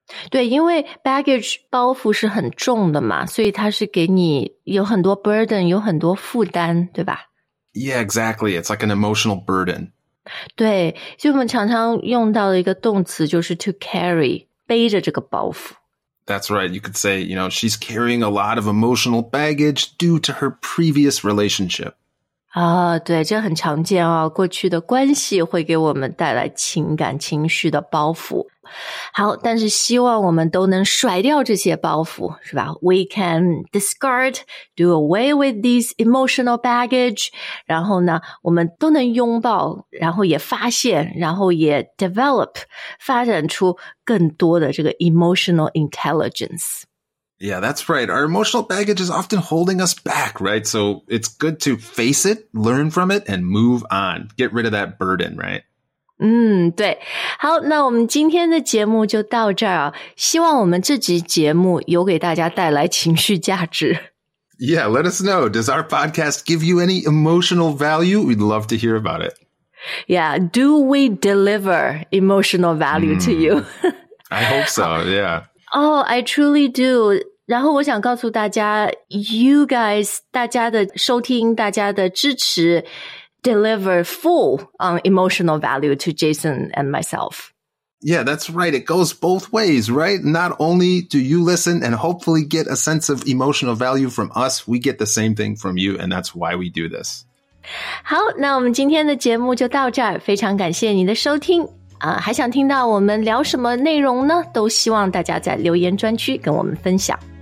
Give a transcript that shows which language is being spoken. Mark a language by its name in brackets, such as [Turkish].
[Chinese] 对，因为 baggage 包袱是很重的嘛，所以它是给你有很多 burden, 有很多负担，对吧？ [English] Yeah, exactly. It's like an emotional burden. [Chinese] 对，就我们常常用到的一个动词就是 to carry, 背着这个包袱。 [English] That's right. You could say, you know, she's carrying a lot of emotional baggage due to her previous relationship. [Chinese] 啊，对，这很常见啊，过去的关系会给我们带来情感情绪的包袱。好，但是希望我们都能甩掉这些包袱，是吧？ [English] We can discard, do away with these emotional baggage. [Chinese] 然后呢，我们都能拥抱，然后也发现，然后也 develop, 发展出更多的这个 emotional intelligence. [English] Yeah, that's right. Our emotional baggage is often holding us back, right? So it's good to face it, learn from it, and move on. Get rid of that burden, right? [Chinese] 嗯，对，好，那我们今天的节目就到这儿啊，希望我们这集节目有给大家带来情绪价值。 [English] Yeah, let us know. Does our podcast give you any emotional value? We'd love to hear about it. Yeah, do we deliver emotional value to you? I hope so, yeah. Oh, I truly do. [Chinese] 然后我想告诉大家 [English] you guys, [Chinese] 大家的收听大家的支持 [English] deliver full on emotional value to Jason and myself. Yeah, that's right. It goes both ways, right? Not only do you listen and hopefully get a sense of emotional value from us, we get the same thing from you, and that's why we do this. [Chinese] 好，那我们今天的节目就到这儿，非常感谢你的收听。还想听到我们聊什么内容呢？都希望大家在留言专区跟我们分享。